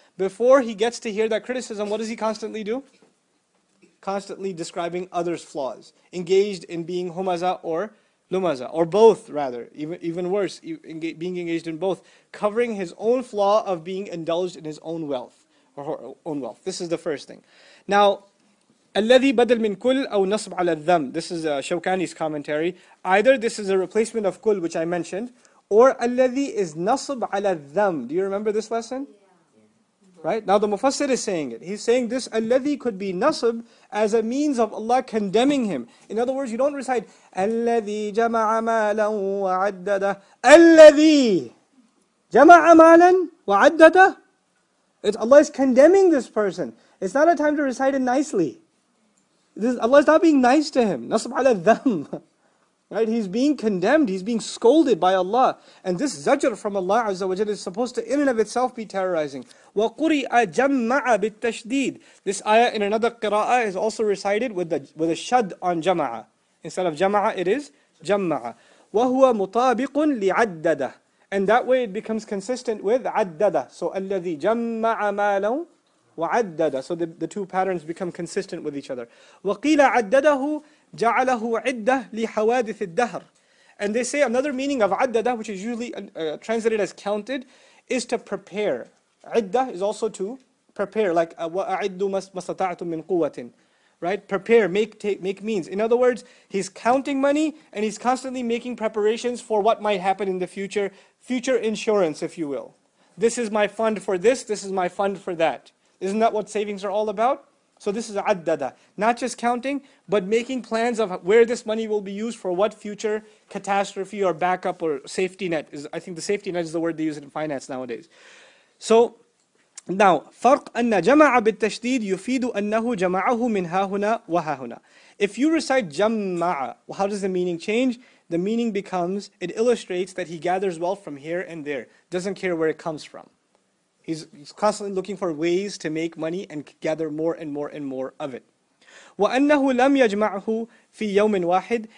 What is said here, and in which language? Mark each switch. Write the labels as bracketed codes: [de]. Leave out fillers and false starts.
[en] Before he gets to hear that criticism, what does he constantly do? Constantly describing others' flaws. Engaged in being Humazah or Lumazah. Or both, rather. Even worse, being engaged in both. Covering his own flaw of being indulged in his own wealth. Or her own wealth. This is the first thing. [ar] Now, الَّذِي بَدَلْ مِنْ كُلْ أَوْ نَصْبْ عَلَى الذَّمْ. [en] This is Shawkani's commentary. Either this is a replacement of كُلْ, which I mentioned, or الَّذِي is [ar] نَصْبْ عَلَى الذَّمْ. [en] Do you remember this lesson? Yeah. Right? Now the Mufassir is saying it. He's saying this الَّذِي could be نَصْبْ as a means of Allah condemning him. In other words, you don't recite [ar] الَّذِي جَمَعَ مَالًا وَعَدَّدَهُ. الَّذِي جَمَعَ مَالًا وَعَدَّدَهُ. [en] Allah is condemning this person. It's not a time to recite it nicely. Allah is not being nice to him. [ar] نَصْبْ عَلَى الذَّمْ. [en] Right? He's being condemned. He's being scolded by Allah. And this zajr from Allah Azza wa Jalla is supposed to in and of itself be terrorizing. [ar] وَقُرِئَ جَمَّعَ بِالتَّشْدِيدِ. [en] This ayah in another qira'ah is also recited with a shad on jama'ah. Instead of jama'ah, it is jama'ah. [ar] وَهُوَ مُطَابِقٌ لِعَدَّدَهُ. [en] And that way it becomes consistent with عَدَّدَهُ. [ar] So الَّذِي جَمَّعَ مَالًا. وَعَدَّدَ. [en] So the two patterns become consistent with each other. [ar] وَقِيلَ عَدَّدَهُ جَعَلَهُ عِدَّةً لِحَوَادِثِ الدَّهْرِ. [en] And they say another meaning of عَدَّدَ, which is usually translated as counted, is to prepare. عِدَّة is also to prepare, like [ar] وَأَعِدُّ مَسْتَطَعْتُمْ مِنْ قُوَّةٍ. [en] Right? Prepare, make means. In other words, he's counting money and he's constantly making preparations for what might happen in the future. Future insurance, if you will. This is my fund for this, this is my fund for that. Isn't that what savings are all about? So this is عَدَّدَ. Not just counting, but making plans of where this money will be used for what future catastrophe or backup or safety net. Is, I think the safety net is the word they use in finance nowadays. [ar] So now, فَرْقْ أَنَّ جَمَعَ بِالتَّشْدِيدِ يُفِيدُ أَنَّهُ جَمَعَهُ مِنْ هَاهُنَا وَهَاهُنَا. [en] If you recite جَمَّعَ, how does the meaning change? The meaning becomes, it illustrates that he gathers wealth from here and there. Doesn't care where it comes from. He's constantly looking for ways to make money and gather more and more and more of it. [ar] وَأَنَّهُ لَمْ يَجْمَعْهُ فِي يَوْمٍ وَاحِدٍ.